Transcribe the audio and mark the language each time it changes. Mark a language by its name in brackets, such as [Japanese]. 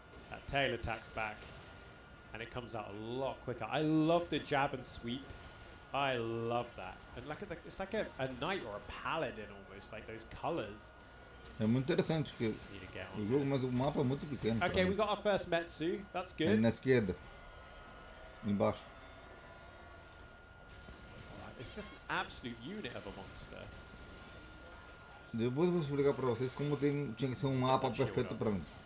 [English] That tail attacks back, and it comes out a lot quicker. I love the jab and sweep. I love that. And like, it's like a knight or a paladin almost, like those colors. [Portuguese] É muito interessante que o jogo, mas o mapa é muito pequeno. [English] Okay, we got our first Metsu. That's good. [Portuguese] Na esquerda. Embaixo. [English] It's just an absolute unit of a monster. [Portuguese] Depois vou explicar para vocês como tinha que ser um mapa perfeito para mim.